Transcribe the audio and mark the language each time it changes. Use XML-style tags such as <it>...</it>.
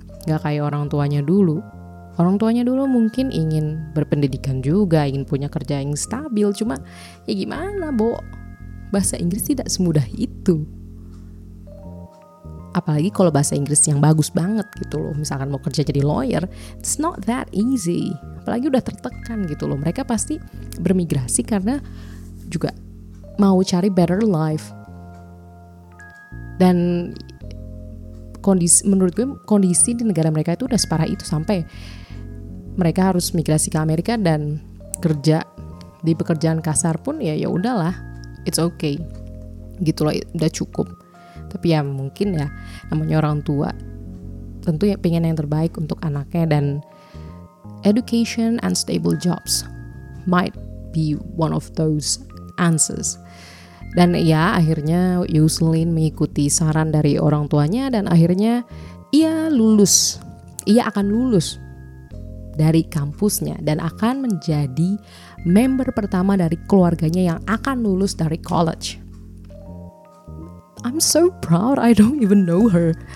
<id>Gak kayak orang tuanya dulu. Orang tuanya dulu mungkin ingin berpendidikan juga, ingin punya kerja yang stabil, cuma ya gimana, Bo? Bahasa Inggris tidak semudah itu. Apalagi kalau bahasa Inggris yang bagus banget gitu loh. Misalkan mau kerja jadi lawyer,</id> <en>it's not that easy.</en> <id>Apalagi udah tertekan gitu loh. Mereka pasti bermigrasi karena juga mau cari</id> <en>better life.</en> <id>Dan menurut gue kondisi di negara mereka itu udah separah itu, sampai mereka harus migrasi ke Amerika dan kerja di pekerjaan kasar pun ya udahlah,</id> <en>it's okay.</en> <id>Gitu loh, udah cukup. Tapi ya mungkin ya, namanya orang tua tentu ya pengen yang terbaik untuk anaknya.</id> <en>Dan education and stable jobs might be one of those answers.</en> <id>Dan ya akhirnya Yoselin mengikuti saran dari orang tuanya, dan akhirnya ia akan lulus dari kampusnya dan akan menjadi member pertama dari keluarganya yang akan lulus dari college.</id> <en>I'm so proud, I don't even know her.</en>